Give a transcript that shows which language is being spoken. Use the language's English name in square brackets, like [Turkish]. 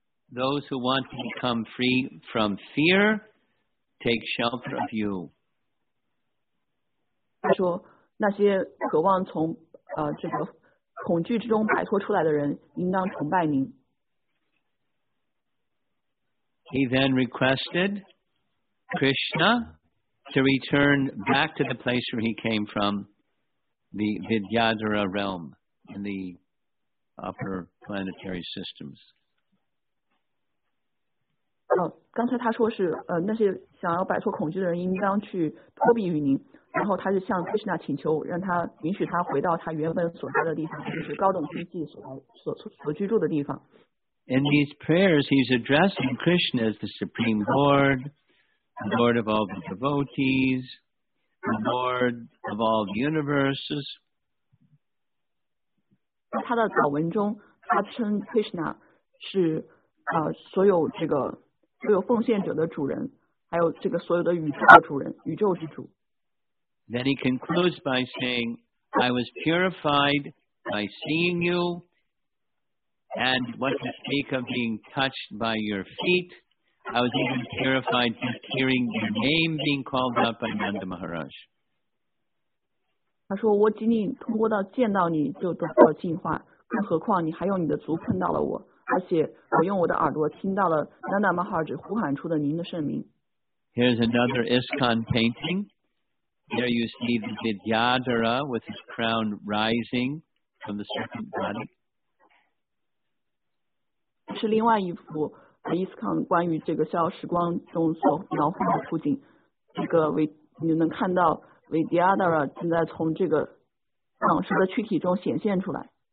[English] Those who want to become free from fear take shelter of you. [Chinese] 他说那些渴望从这个恐惧之中摆脱出来的人应当崇拜您。 [English] He then requested Krishna to return back to the place where he came from, the Vidyadhara realm in the upper planetary systems. [Chinese] 刚才他说是那些想要摆脱恐惧的人应当去托庇于您，然后他就向 Krishna 请求，让他允许他回到他原本所在的地方，就是高等星系所居住的地方。 [English] In these prayers, he's addressing Krishna as the Supreme Lord, the Lord of all the devotees, the Lord of all the universes. [Chinese] 在他的祷文中，他称 Krishna 是所有这个所有奉献者的主人，还有这个所有的宇宙的主人，宇宙之主。 [English] Then he concludes by saying, "I was purified by seeing you." And what you speak of being touched by your feet, I was even terrified just hearing your name being called out by Nanda Maharaj. [Chinese] 他说我仅仅通过到见到你就得到净化，更何况你还用你的足碰到了我，而且我用我的耳朵听到了 Nanda Maharaj 呼喊出的您的圣名。 [English] Here's another ISKCON painting. There you see the Vidyadhara with his crown rising from the serpent body. [Chinese] 是另外一幅 ISKCON 关于这个消时光中所描绘的图景，这个你能看到 Vidyadhara 正在从这个蟒蛇的躯体中显现出来。